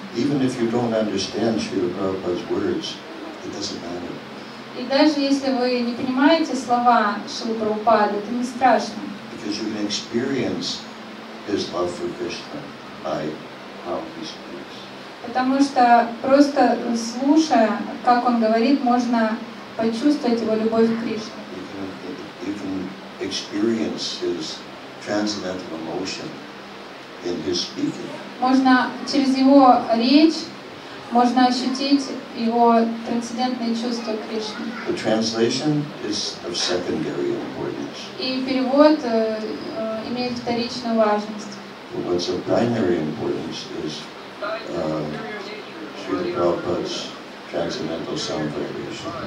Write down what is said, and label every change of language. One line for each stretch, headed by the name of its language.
English: Even if you don't understand Srila Prabhupada's words, it doesn't matter.
Russian: И даже если вы не понимаете слова Шрилы Прабхупады, это не страшно.
English: Because you can experience his love for Krishna by how he speaks.
Russian: Потому что просто слушая, как он говорит, можно почувствовать его любовь к Кришне.
English: You can even experience his transcendental emotion in his speaking.
Russian: Можно через его речь можно ощутить его трансцендентные чувства к Кришне.
English: The translation is of secondary importance.
Russian: И перевод имеет вторичную важность.
English: But what's of primary importance is Srila Prabhupada's transcendental sound vibration.